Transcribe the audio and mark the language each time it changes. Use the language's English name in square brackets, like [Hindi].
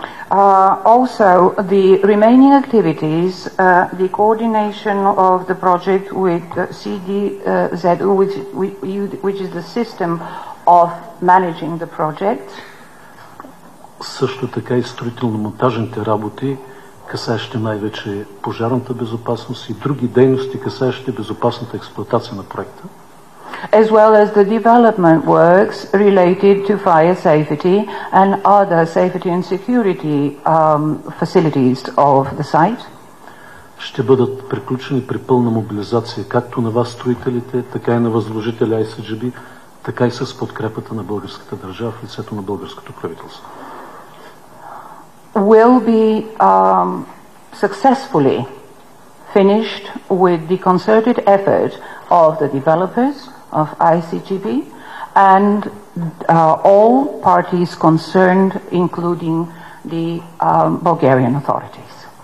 [English] Also the remaining activities, the coordination of the project with CDZ, which is the system of managing the project. [Bulgarian] Също така и строително-монтажните работи, касаещи най-вече пожарната безопасност и други дейности, касаещи безопасната експлоатация на проекта. [English] As well as the development works related to fire safety and other safety and security facilities of the site. [Bulgarian] Ще бъдат приключени при пълна мобилизация както на вас строителите, така и на възложителя ISGB, така и с подкрепата на българската държава в лицето на българското правителство. [English] Will be successfully finished with the concerted effort of the developers of ICGB and all parties concerned, including the Bulgarian authorities.